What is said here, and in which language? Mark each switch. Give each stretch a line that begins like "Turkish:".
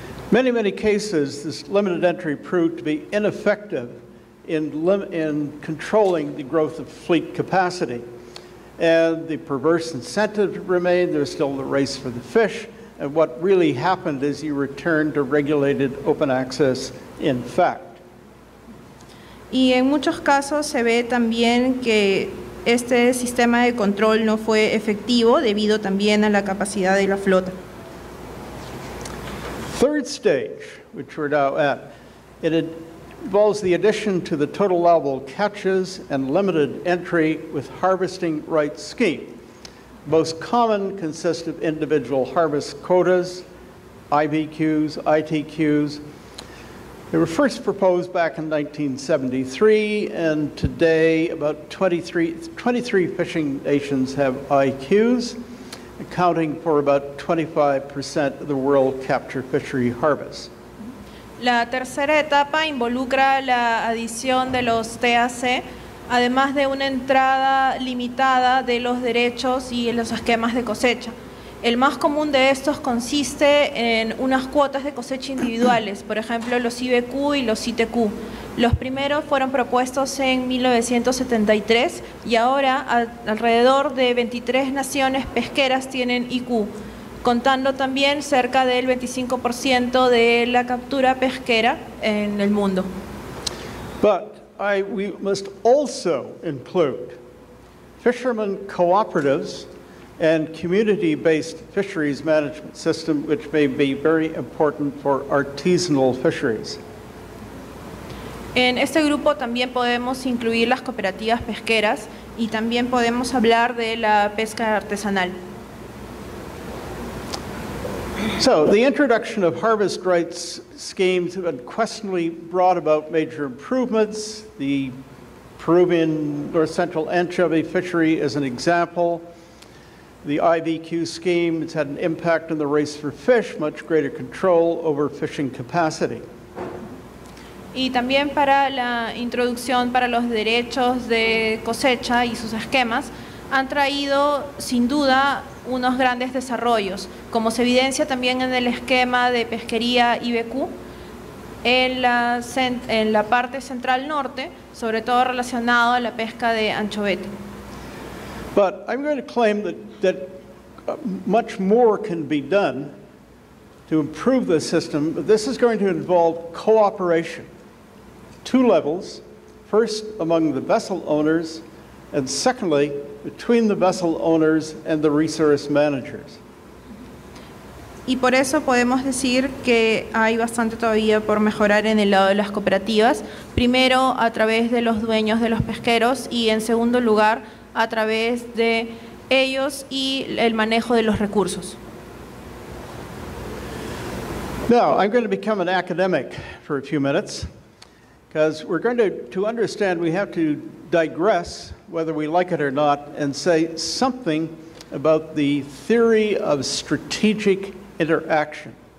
English: Many, many cases, this limited entry proved to be ineffective in controlling the growth of fleet capacity. And the perverse incentive remained. There's still the race for the fish. And what really happened is you returned to regulated open access in fact.
Spanish: Y en muchos casos se ve también que este sistema de control no fue efectivo debido también a la capacidad de la flota.
English: Third stage, which we're now at, it involves the addition to the total allowable catches and limited entry with harvesting rights scheme. Most common consist of individual harvest quotas, IBQs, ITQs. They were first proposed back in 1973, and today about 23 fishing nations have IQs, accounting for about 25% of the world capture fishery harvest.
Spanish: La tercera etapa involucra la adición de los TAC, además de una entrada limitada de los derechos y los esquemas de cosecha. El más común de estos consiste en unas cuotas de cosecha individuales, por ejemplo, los IBQ y los ITQ. Los primeros fueron propuestos en 1973 y ahora alrededor de 23 naciones pesqueras tienen IQ, contando también cerca del 25% de la captura pesquera en el mundo.
English: But we must also include fishermen cooperatives and community-based fisheries management system, which may be very important for artisanal fisheries.
Spanish: En este grupo también podemos incluir las cooperativas pesqueras y también podemos hablar de la pesca artesanal.
English: So, the introduction of harvest rights schemes have unquestionably brought about major improvements. The Peruvian North Central anchovy fishery is an example. The IVQ scheme has had an impact on the race for fish, much greater control over fishing capacity.
Spanish: Y también para la introducción para los derechos de cosecha y sus esquemas han traído sin duda unos grandes desarrollos, como se evidencia también en el esquema de pesquería IBQ en la parte central norte, sobre todo relacionado a la pesca de anchovete.
English: But I'm going to claim that much more can be done to improve the system, but this is going to involve cooperation, two levels, first among the vessel owners, and secondly, between the vessel owners and the resource managers.
Spanish: Y por eso podemos decir que hay bastante todavía por mejorar en el lado de las cooperativas, primero a través de los dueños de los pesqueros y en segundo lugar a través de ellos y el manejo de los recursos.
English: Now, I'm going to become an academic for a few minutes because we're going to understand we have to digress whether we like it or not and say something about the theory of strategic interaction.